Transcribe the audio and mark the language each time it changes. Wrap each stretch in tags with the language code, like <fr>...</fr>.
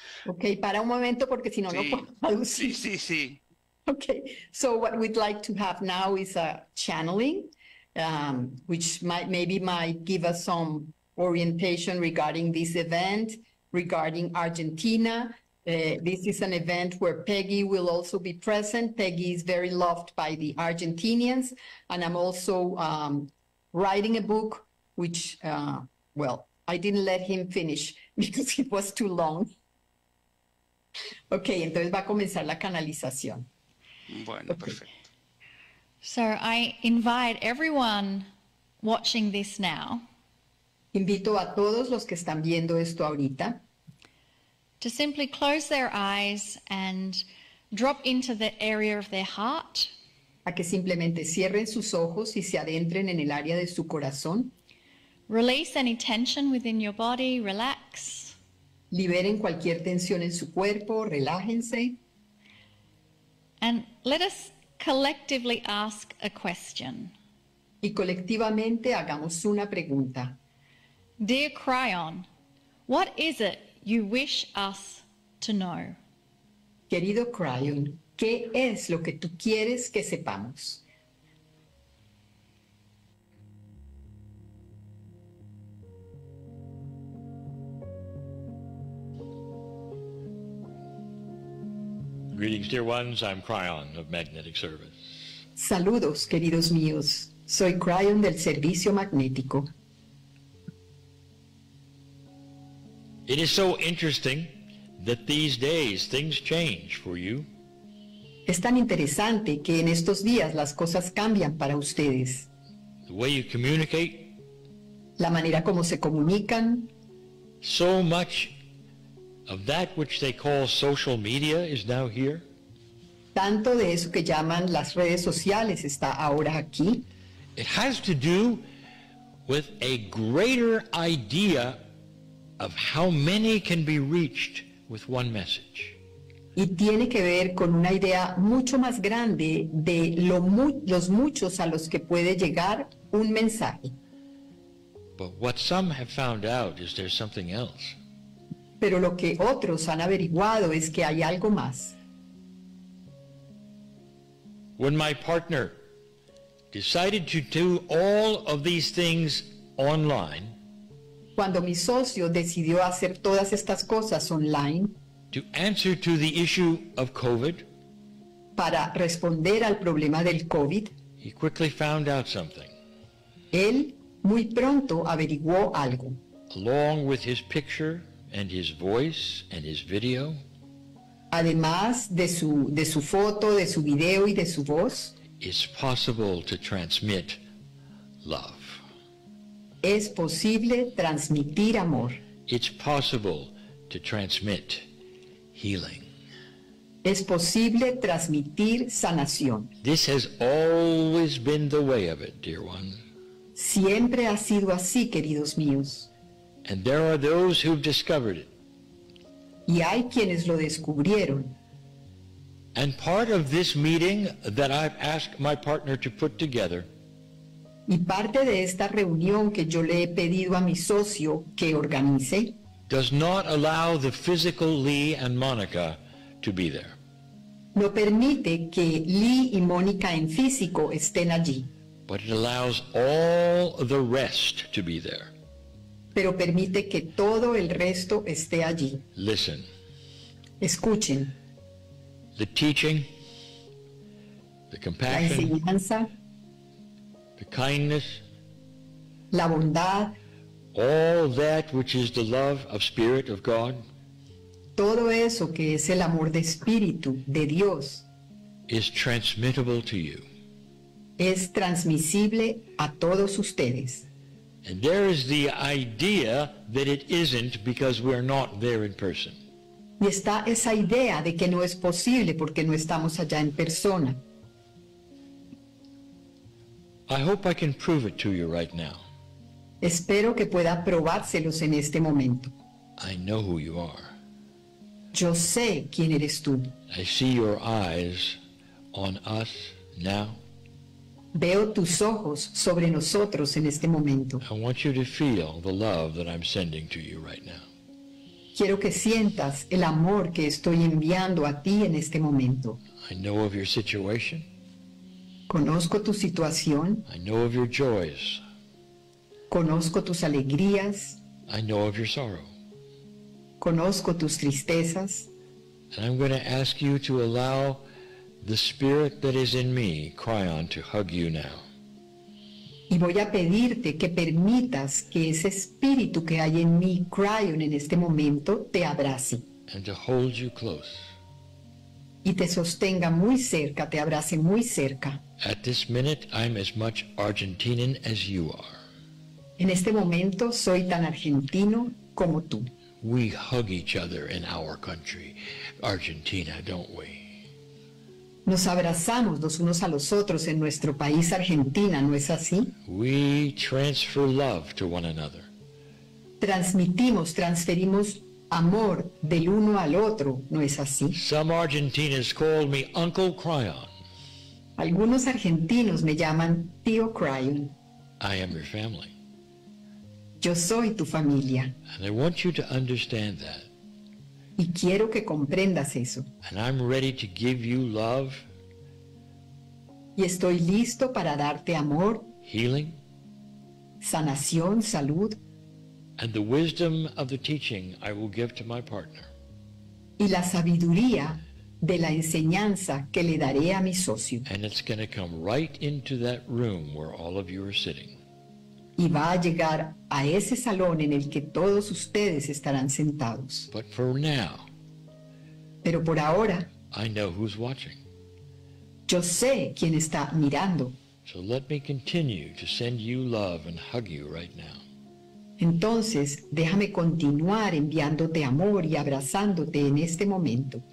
<es>Ok, para un momento, porque si no, no puedo traducir. Sí, sí, sí.</es> <en>Ok, so what we'd like to have now is a channeling, which might maybe might give us some orientation regarding this event, regarding Argentina. This is an event where Peggy will also be present. Peggy is very loved by the Argentinians. And I'm also writing a book, which, well, I didn't let him finish because it was too long.</en> <es>Okay, entonces va a comenzar la canalización. Bueno, perfecto.</es> <en>So I invite everyone watching this now.</en> <es>Invito a todos los que están viendo esto ahorita.</es> <en>To simply close their eyes and drop into the area of their heart.</en> <es>A que simplemente cierren sus ojos y se adentren en el área de su corazón.</es> <en>Release any tension within your body, relax.</en> <es>Liberen cualquier tensión en su cuerpo, relájense.</es> <en>And let us collectively ask a question.</en> <es>Y colectivamente hagamos una pregunta.</es> <en>Dear Cryon, what is it you wish us to know?</en> <es>Querido Cryon, ¿qué es lo que tú quieres que sepamos?</es> <en>Greetings, dear ones. I'm Cryon of Magnetic Service.</en> <es>Saludos, queridos míos. Soy Cryon del Servicio Magnético.</es> <en>It is so interesting that these days things change for you.</en> <es>Es tan interesante que en estos días las cosas cambian para ustedes.</es> <en>The way you communicate.</en> <es>La manera como se comunican.</es> <en>So much of that which they call social media is now here.</en> <es>Tanto de eso que llaman las redes sociales está ahora aquí.</es> <en>It has to do with a greater idea of how many can be reached with one message.</en> <es>Y tiene que ver con una idea mucho más grande de los muchos a los que puede llegar un mensaje.</es> <en>But what some have found out is there's something else.</en> <es>Pero lo que otros han averiguado es que hay algo más.</es> <en>When my partner decided to do all of these things online,</en> <es>cuando mi socio decidió hacer todas estas cosas online,</es> <en>to answer to the issue of COVID,</en> <es>para responder al problema del COVID,</es> <en>he quickly found out something.</en> <es>Él muy pronto averiguó algo.</es> <en>Along with his picture and his voice and his video,</en> <es>además de su foto, de su video y de su voz,</es> <en>it's possible to transmit love.</en> <es>Es posible transmitir amor.</es> <en>It's possible to transmit healing.</en> <es>Es posible transmitir sanación.</es> <en>This has always been the way of it, dear one.</en> <es>Siempre ha sido así, queridos míos.</es> <en>And there are those who've discovered it.</en> <es>Y hay quienes lo descubrieron.</es> <en>And part of this meeting that I've asked my partner to put together,</en> <es>y parte de esta reunión que yo le he pedido a mi socio que organice,</es> <en>does not allow the physical Lee and Monica to be there.</en> <es>No permite que Lee y Monica en físico estén allí.</es> <en>But it allows all the rest to be there.</en> <es>Pero permite que todo el resto esté allí.</es> <en>Listen.</en> <es>Escuchen.</es> <en>The teaching, the compassion,</en> <es>la enseñanza,</es> <en>the kindness,</en> <es>la bondad,</es> <en>all that which is the love of Spirit of God,</en> <es>todo eso que es el amor de Espíritu de Dios,</es> <en>is transmittable to you.</en> <es>Es transmisible a todos ustedes.</es> <en>And there is the idea that it isn't because we're not there in person.</en> <es>Y está esa idea de que no es posible porque no estamos allá en persona.</es> <en>I hope I can prove it to you right now.</en> <es>Espero que pueda probárselos en este momento.</es> <en>I know who you are.</en> <es>Yo sé quién eres tú.</es> <en>I see your eyes on us now.</en> <es>Veo tus ojos sobre nosotros en este momento.</es> <en>I want you to feel the love that I'm sending to you right now.</en> <es>Quiero que sientas el amor que estoy enviando a ti en este momento.</es> <en>I know of your situation.</en> <es>Conozco tu situación.</es> <en>I know of your joys.</en> <es>Conozco tus alegrías.</es> <en>I know of your sorrow.</en> <es>Conozco tus tristezas.</es> <en>And I'm going to ask you to allow the spirit that is in me, Kryon, to hug you now.</en> <es>Y voy a pedirte que permitas que ese espíritu que hay en mí, Kryon, en este momento, te abrace.</es> <en>And to hold you close.</en> <es>Y te sostenga muy cerca, te abrace muy cerca.</es> <en>At this minute, I'm as much Argentinian as you are.</en> <es>En este momento, soy tan argentino como tú.</es> <en>We hug each other in our country, Argentina, don't we?</en> <es>Nos abrazamos los unos a los otros en nuestro país, Argentina, ¿no es así?</es> <en>We transfer love to one another.</en> <es>Transmitimos, transferimos amor del uno al otro, ¿no es así?</es> <en>Some Argentinians call me Uncle Kryon.</en> <es>Algunos argentinos me llaman Tío Kryon.</es> <en>I am your family.</en> <es>Yo soy tu familia.</es> <en>And I want you to understand that.</en> <es>Y quiero que comprendas eso.</es> <en>And I'm ready to give you love.</en> <es>Y estoy listo para darte amor.</es> <en>Healing.</en> <es>Sanación, salud.</es> <en>And the wisdom of the teaching I will give to my partner.</en> <es>Y la sabiduría de la enseñanza que le daré a mi socio.</es> <en>And it's going to come right into that room where all of you are sitting.</en> <es>Y va a llegar a ese salón en el que todos ustedes estarán sentados.</es> <en>But for now,</en> <es>pero por ahora,</es> <en>I know who's watching.</en> <es>Yo sé quién está mirando.</es> <en>So let me continue to send you love and hug you right now.</en> <es>Entonces, déjame continuar enviándote amor y abrazándote en este momento.</es>